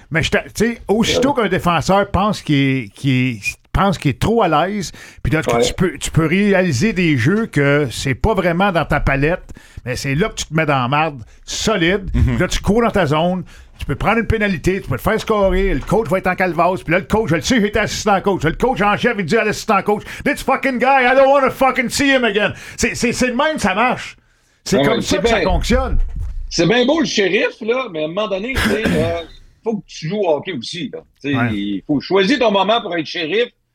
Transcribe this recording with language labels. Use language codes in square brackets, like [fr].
[fr] Mais, tu sais, aussitôt qu'un défenseur pense qu'il est trop à l'aise, puis là, tu peux réaliser des jeux que c'est pas vraiment dans ta palette, mais c'est là que tu te mets dans la marde, solide, puis là, tu cours dans ta zone. Tu peux prendre une pénalité, tu peux te faire scorer, le coach va être en calvasse, puis là, le coach, je le sais, j'étais assistant coach. Le coach en chef, il dit à l'assistant coach, [en] this fucking guy, I don't want to fucking see him again. [fr] C'est le même, ça marche. C'est comme ça que ça fonctionne. C'est bien beau le shérif, là, mais à un moment donné, il faut que tu joues au hockey aussi. Il faut choisir ton moment pour être shérif.